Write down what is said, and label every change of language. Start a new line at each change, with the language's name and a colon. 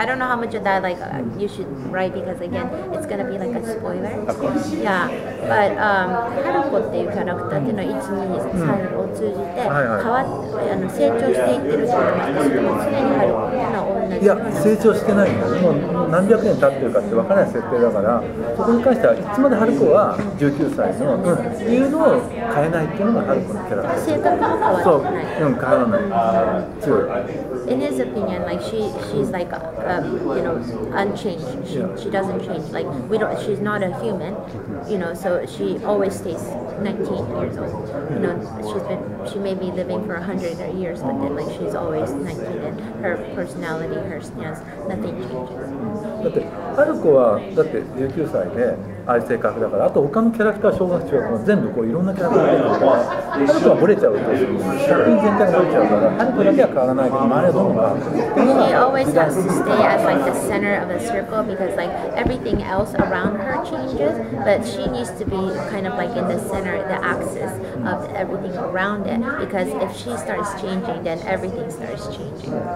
English: I don't know how much of that like you should write, because again, it's gonna be like a spoiler. Of course. Yeah, but
Japanese: Haruko っていうキャラクターっていうのは1、2、3を通じて変わって、あの成長していってるっていうのは、でも常に Haruko っていうのは同じ。いや、成長してないんだ。もう何百年経ってるかって分からない設定だから、そこに関してはいつまで Haruko は19歳の、っていうのを変えないっていうのが Haruko のキャラクター。性格も変わらない。そう、うん、変わらない。強い。
English: In his opinion, like she's like you know, unchanged. She doesn't change. Like she's not a human, you know. So she always stays 19 years old. You know, she may be living for 100 years, but then like she's always 19, and her personality, her stance, nothing changes.
Japanese: Haruko はだって19歳で、ああいう性格だから、あと他のキャラクター、小学生は全部こういろんなキャラクターがいるから、ハルコはブレちゃうと、作品全体がブレちゃうから、ハルコだけは変わらないけど、周りはどうか。 She always has to stay at like the center of the circle because like everything else around her changes, but she needs to be kind of like in the center, the axis of everything around it, because if she starts changing, then everything starts changing.